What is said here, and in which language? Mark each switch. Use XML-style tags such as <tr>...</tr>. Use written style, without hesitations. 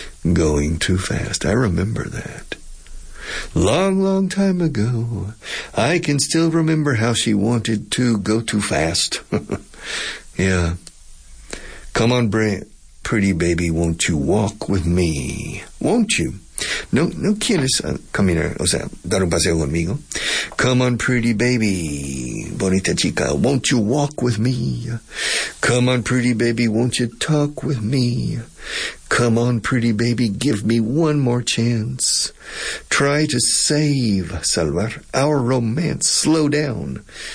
<en>Going too fast. I remember that. Long, long time ago, I can still remember how she wanted to go too fast. Yeah. Come on, pretty baby, won't you walk with me? Won't you?</en> <es>No, no quieres caminar, o sea, dar un paseo conmigo.</es> <en>Come on, pretty baby,</en> <es>bonita chica,</es> <en>won't you walk with me? Come on, pretty baby, won't you talk with me? Come on, pretty baby, give me one more chance. Try to save, salvar, our romance. Slow down.</en>